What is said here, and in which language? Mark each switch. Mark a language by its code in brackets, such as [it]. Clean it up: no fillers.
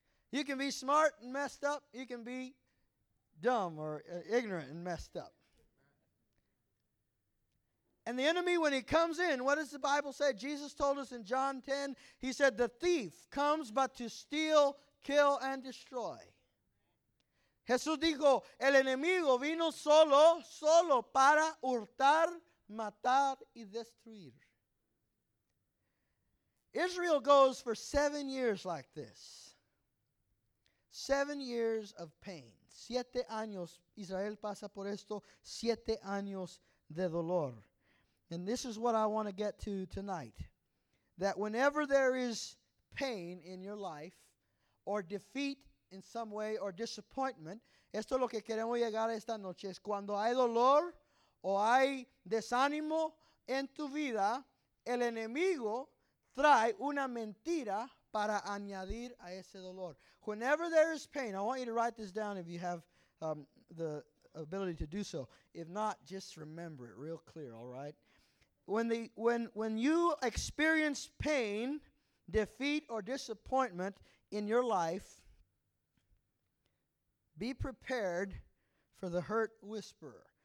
[en] You can be smart and messed up, you can be dumb or ignorant and messed up. And the enemy, when he comes in, what does the Bible say? Jesus told us in John 10, he said, the thief comes but to steal, kill, and destroy. [es] Jesús dijo, el enemigo vino solo para hurtar, matar, y destruir. [en] Israel goes for 7 years like this. 7 years of pain. [es] 7 años. Israel pasa por esto. 7 años de dolor. [en] And this is what I want to get to tonight. That whenever there is pain in your life, or defeat in some way, or disappointment. [es] Esto es lo que queremos llegar a esta noche. Es cuando hay dolor o hay desánimo en tu vida, el enemigo trae una mentira para añadir a ese dolor. [en] Whenever there is pain, I want you to write this down if you have the ability to do so. If not, just remember it real clear, all right? When you experience pain, defeat, or disappointment in your life, be prepared for the hurt whisperer.